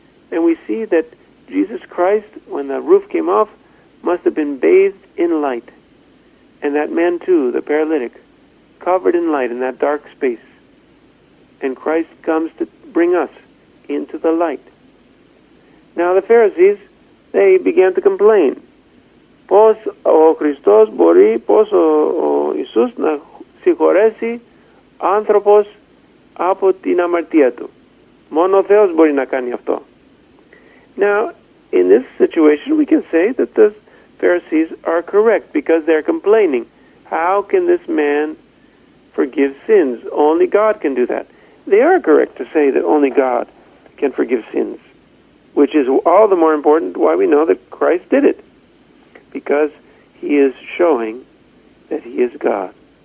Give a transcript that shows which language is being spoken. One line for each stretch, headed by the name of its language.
English: And we see that Jesus Christ, when the roof came off, must have been bathed in light. And that man too, the paralytic, covered in light in that dark space. And Christ comes to bring us into the light. Now the Pharisees, they began to complain.
Greek: Πώς ο Χριστός μπορεί, πώς ο Ιησούς να συγχωρέσει άνθρωπος από την αμαρτία του. Μόνο ο Θεός μπορεί να κάνει αυτό.
English: Now, in this situation, we can say that the Pharisees are correct because they're complaining. How can this man forgive sins? Only God can do that. They are correct to say that only God can forgive sins, which is all the more important why we know that Christ did it, because he is showing that he is God.